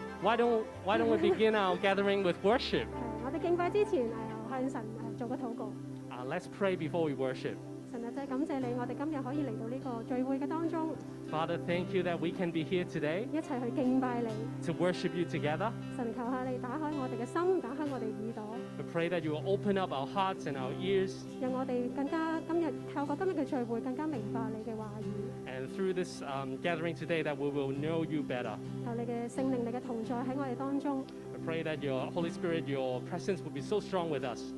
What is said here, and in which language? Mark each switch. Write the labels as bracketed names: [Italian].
[English] ？Why don't we begin our gathering with worship? [Cantonese] 我哋敬拜之前向神做个祷告。 [English] Let's pray before we worship. [Cantonese] 神啊，真系感谢你，我哋今日可以嚟到呢个聚会嘅当中。 [English] Father, thank you that we can be here today. [Cantonese] 一齐去敬拜你。 [English] To worship you together. [Cantonese] 神求下你打开我哋嘅心，打开我哋耳朵。 [English] We pray that you will open up our hearts and our ears. [Cantonese] 让我哋更加今日透过今日嘅聚会更加明白你嘅话语。 [English] And through this gathering today, that we will know you better. [Cantonese] 求你嘅圣灵，你嘅同在喺我哋当中。 [English] We pray that your Holy Spirit, your presence will be so strong with us.